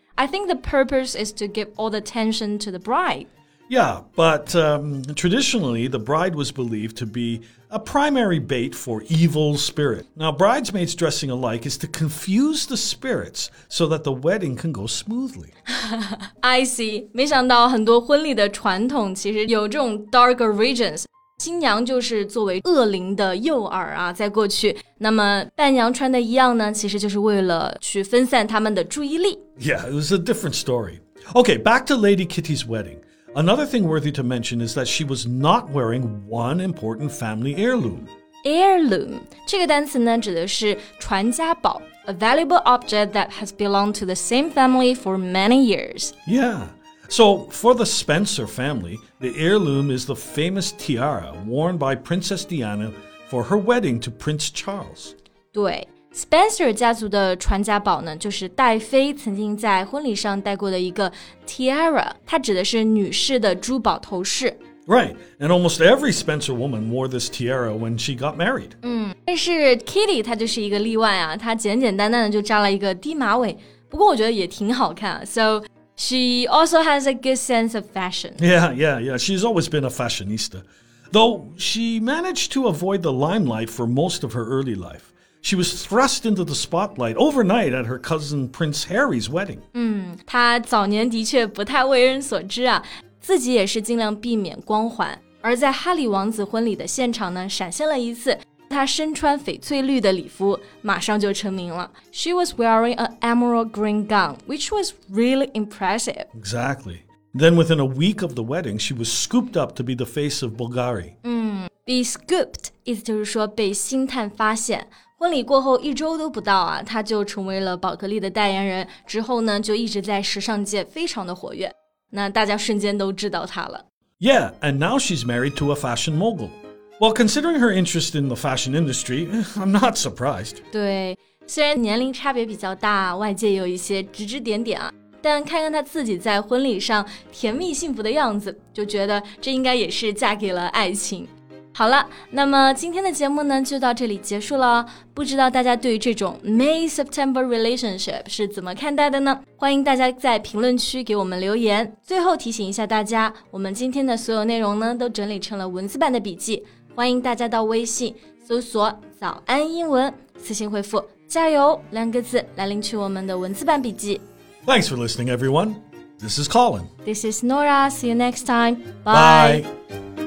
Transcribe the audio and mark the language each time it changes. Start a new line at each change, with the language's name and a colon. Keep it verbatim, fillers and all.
English: I think the purpose is to give all the attention to the bride. Yeah, but um, traditionally, the bride was believed to be a primary bait for evil spirit. Now, bridesmaids dressing alike is to confuse the spirits so that the wedding can go smoothly. I see.
Chinese: 没想到很多婚礼的传统其实有这种
English: dark origins.
Chinese: 新娘就是作为恶灵的诱饵啊，在过去，那么伴娘穿的一样呢，其实就是为了去分散他们的注意力。
English: Yeah, it was a different story. Okay, back to Lady Kitty's wedding. Another thing worthy to mention is that she was not wearing one important family heirloom. Heirloom,
Chinese: 这个单词呢指的是传家宝
English: a valuable object that has belonged to the same family for many years. Yeah, so for the Spencer family, the heirloom is the famous tiara worn by Princess Diana for her wedding to Prince Charles.
Chinese: 对。 Spencer 家族的传家宝呢，就是戴妃曾经在婚礼上戴过的一个 tiara， 它指的是女士的珠宝头饰。
English: Right, and almost every Spencer woman wore this tiara when she got married.
Chinese: 嗯，但是 Kitty 她就是一个例外啊，她简简单单的就扎了一个低马尾，不过我觉得也挺好看啊。
English: So she also has a good sense of fashion. Yeah, yeah, yeah. She's always been a fashionista, though she managed to avoid the limelight for most of her early life. She was thrust into the spotlight overnight at her cousin Prince Harry's wedding.
Chinese: 嗯，她早年的确不太为人所知啊，自己也是尽量避免光环。而在哈利王子婚礼的现场呢，闪现了一次。她身穿翡翠绿的礼服，马上就成名了。
English: She was wearing an emerald green gown, which was really impressive. Exactly. Then within a week of the wedding, she was scooped up to be the face of Bulgari.
Chinese: 嗯 ，be scooped 意思就是说被星探发现。婚礼过后一周都不到啊，他就成为了宝格丽的代言人，之后呢就一直在时尚界非常的活跃，那大家瞬间都知道他了。
English: Yeah, and now she's married to a fashion mogul. Well, considering her interest in the fashion industry, I'm not surprised.
Chinese: 对，虽然年龄差别比较大，外界有一些指指点点啊，但看看她自己在婚礼上甜蜜幸福的样子，就觉得这应该也是嫁给了爱情。好了，那么今天的节目呢就到这里结束了。不知道大家对于这种 May-September relationship 是怎么看待的呢？欢迎大家在评论区给我们留言。最后提醒一下大家，我们今天的所有内容呢都整理成了文字版的笔记，欢迎大家到微信搜索早安英文，私信回复加油两个字来领取我们的文字版笔记。
English: Thanks for listening, everyone. This is Colin. This is Nora. See you next time. Bye. Bye.